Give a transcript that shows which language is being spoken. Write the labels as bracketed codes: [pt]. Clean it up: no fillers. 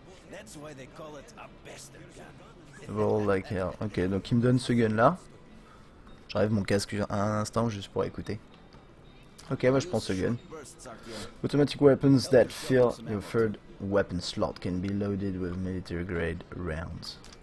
[en] That's why they call it a bastard gun. Roll like hell. [fr] Ok, donc il me donne ce gun là. J'arrive mon casque un instant juste pour écouter. Ok, moi je prends ce gun. [en] Automatic weapons that fill your third weapon slot can be loaded with military grade rounds.